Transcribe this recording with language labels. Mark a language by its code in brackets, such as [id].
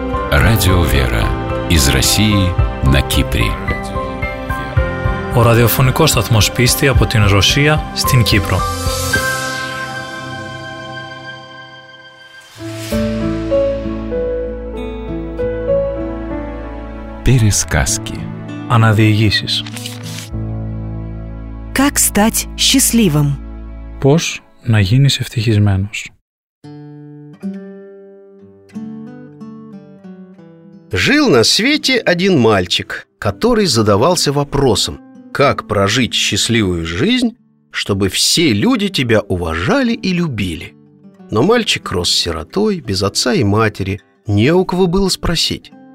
[ru] Радио Вера из России на Кипре. [el] О радиофонико сатмос писти από την Ρωσία στην Κύπρο. [ru] Пересказки. [el] Αναδιηγήσεις. [ru] Как стать счастливым? [el] Πώς να γίνεις ευτυχισμένος. [ru] Жил на свете один мальчик, который задавался вопросом, как прожить счастливую жизнь, чтобы все люди тебя уважали и любили. Но мальчик рос сиротой, без отца и матери, не у кого было спросить.